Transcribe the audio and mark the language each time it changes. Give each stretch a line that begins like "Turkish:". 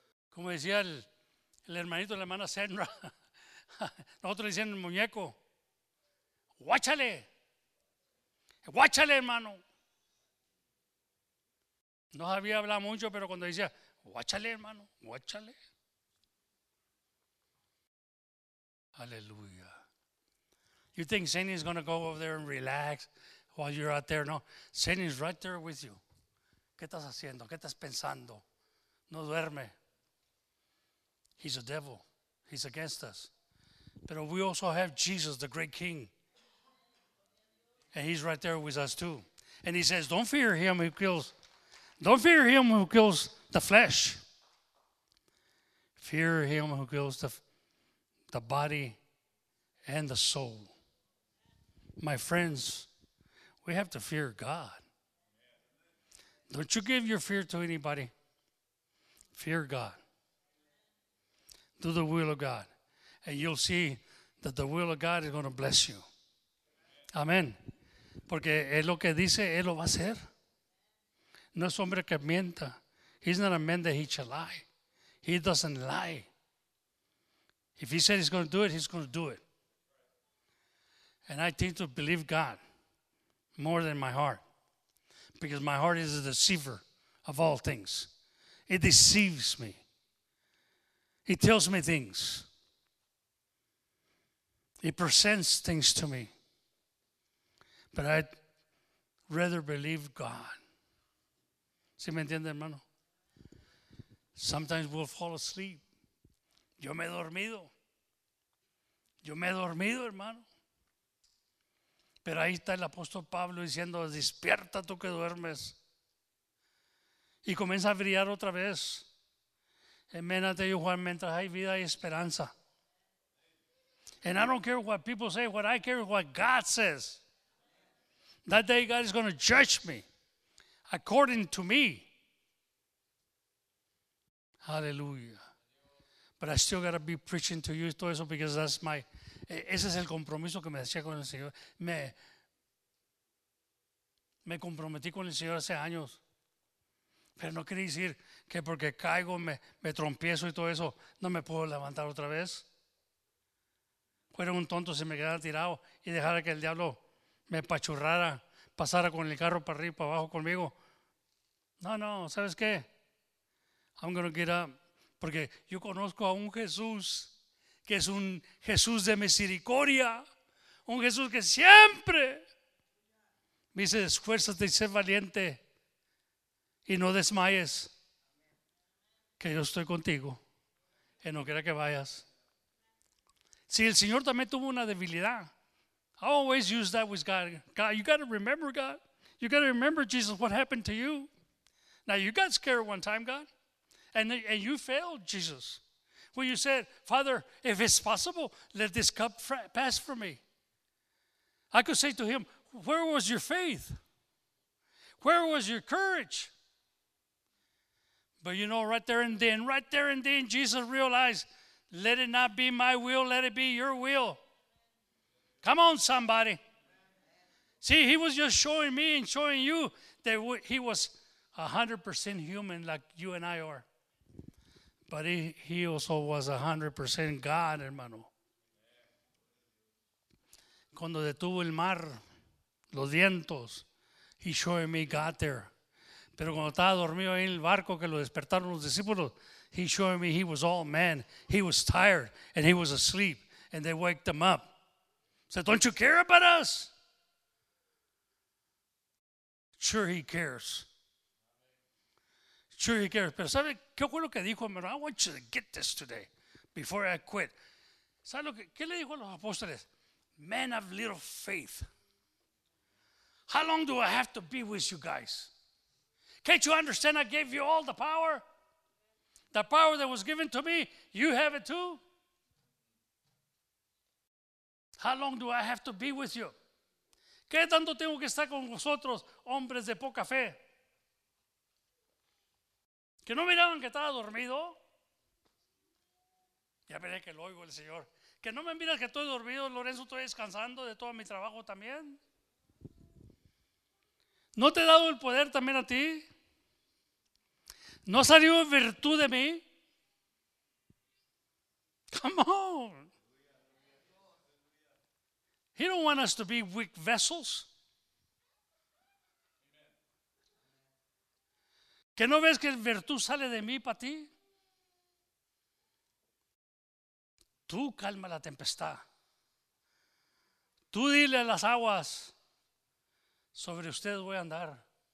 Spanish: Como decía el hermanito, la hermana Senra. Nosotros le decíamos el muñeco. Guáchale. Guáchale, hermano. No sabía hablar mucho, pero cuando decía, guáchale, hermano, guáchale. Aleluya.
English: You think Satan is going to go over there and relax while you're out there? No. Satan is right there with you.
Spanish: ¿Qué estás haciendo? ¿Qué estás pensando? No duerme.
English: He's a devil. He's against us. But we also have Jesus, the great king. And he's right there with us too. And he says, don't fear him who kills. Don't fear him who kills the flesh. Fear him who kills the body and the soul. My friends, we have to fear God. Don't you give your fear to anybody. Fear God. Do the will of God. And you'll see that the will of God is going to bless you. Amen.
Spanish: Porque él lo que dice, él lo va a hacer. No es hombre que mienta.
English: He's not a man that he shall lie. He doesn't lie. If he said he's going to do it, he's going to do it. And I tend to believe God more than my heart. Because my heart is a deceiver of all things. It deceives me. It tells me things. It presents things to me. But I'd rather believe God.
Spanish: ¿Sí me entiende, hermano?
English: Sometimes we'll fall asleep.
Spanish: Yo me he dormido. Yo me he dormido, hermano. Pero ahí está el apóstol Pablo diciendo, despierta tú que duermes. Y comienza a brillar otra vez.
English: Amen, I tell you,
Spanish: Juan, mientras hay vida hay esperanza.
English: And I don't care what people say, what I care is what God says. That day God is going to judge me according to me. Hallelujah. But I still got to be preaching to you
Spanish: todo eso
English: because that's my...
Spanish: Ese es el compromiso que me hacía con el Señor. Me comprometí con el Señor hace años. Pero no quiere decir que porque caigo, me trompiezo y todo eso, no me puedo levantar otra vez. Fuera un tonto si me quedara tirado y dejara que el diablo me pachurrara, pasara con el carro para arriba y para abajo conmigo. No, ¿sabes qué?
English: I'm going to get up.
Spanish: Porque yo conozco a un Jesús que es un Jesús de misericordia. Un Jesús que siempre me dice, esfuérzate y sé valiente y no desmayes, que yo estoy contigo en lo que quiera que vayas. Si el Señor también tuvo una debilidad,
English: I always use that with God. God, you got to remember, God. You got to remember, Jesus, what happened to you. Now, you got scared one time, God, and you failed, Jesus. Well, you said, Father, if it's possible, let this cup pass from me. I could say to him, where was your faith? Where was your courage? But you know, right there and then, Jesus realized, let it not be my will, let it be your will. Come on, somebody. See, he was just showing me and showing you that he was 100% human like you and I are. But he also was 100% God, hermano.
Spanish: Cuando detuvo el mar, los vientos,
English: he showed me God there.
Spanish: Pero cuando estaba dormido ahí en el barco que lo despertaron los discípulos,
English: he showed me he was all man. He was tired and he was asleep. And they waked him up. Said, don't you care about us? Sure he cares. Sure he cares.
Spanish: Pero ¿sabe qué fue lo que dijo?
English: I want you to get this today before I quit.
Spanish: ¿Sabe lo que qué le dijo a los apóstoles?
English: Men of little faith. How long do I have to be with you guys? Can't you understand I gave you all the power? The power that was given to me, you have it too? How long do I have to be with you?
Spanish: ¿Qué tanto tengo que estar con vosotros, hombres de poca fe? ¿Que no miraban que estaba dormido? Ya veré que lo oigo el Señor. ¿Que no me miras que estoy dormido, Lorenzo, estoy descansando de todo mi trabajo también? ¿No te he dado el poder también a ti? ¿No ha salido virtud de mí?
English: Come on. He don't want us to be weak vessels.
Spanish: ¿Que no ves que virtud sale de mí para ti? Tú calma la tempestad. Tú dile a las aguas, sobre usted voy a andar.